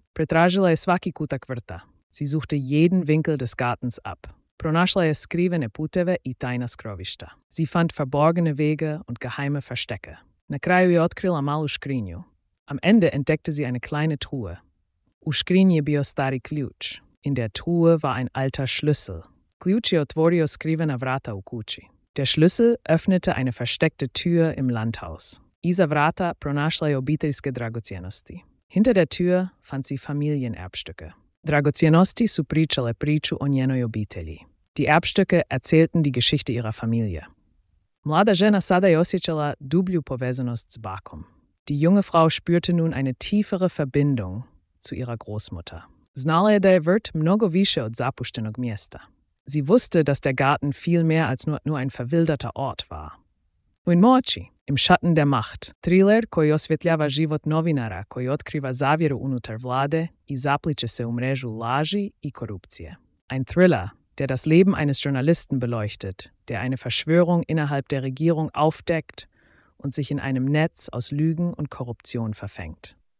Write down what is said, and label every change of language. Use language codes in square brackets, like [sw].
[hr] Pretražila je svaki kutak vrta. [de] Sie suchte jeden Winkel des Gartens ab. [hr] Pronašla je skrivene puteve i tajna skrovišta. [de] Sie fand verborgene Wege und geheime Verstecke. [hr] Na kraju je otkrila malu škrinju. [de] Am Ende entdeckte sie eine kleine Truhe. [hr] U škrinji bio stari ključ. [de] In der Truhe war ein alter Schlüssel. [hr] Ključ je otvorio skrivena vrata u kući. [de] Der Schlüssel öffnete eine versteckte Tür im Landhaus. [hr] Iza vrata pronašla je obiteljske dragocjenosti. [de] Hinter der Tür fand sie Familienerbstücke. [hr] Dragocjenosti su pričale priču o njenoj obitelji. [de] Die Erbstücke erzählten die Geschichte ihrer Familie. [hr] Mlada žena sada je osjećala dublju povezanost s bakom. [de] Die junge Frau spürte nun eine tiefere Verbindung zu ihrer Großmutter. [hr] Znala je da je vrt mnogo više od zapuštenog mjesta. [de] Sie wusste, dass der Garten viel mehr als nur ein verwilderter Ort war. [hr] Uin moči, [de] im Schatten der Macht, [hr] thriller koji osvjetljava život novinara koji otkriva zavjeru unutar vlade i zapliče se u mrežu laži i korupcije. [de] Ein Thriller, der das Leben eines Journalisten beleuchtet, der eine Verschwörung innerhalb der Regierung aufdeckt und sich in einem Netz aus Lügen und Korruption verfängt.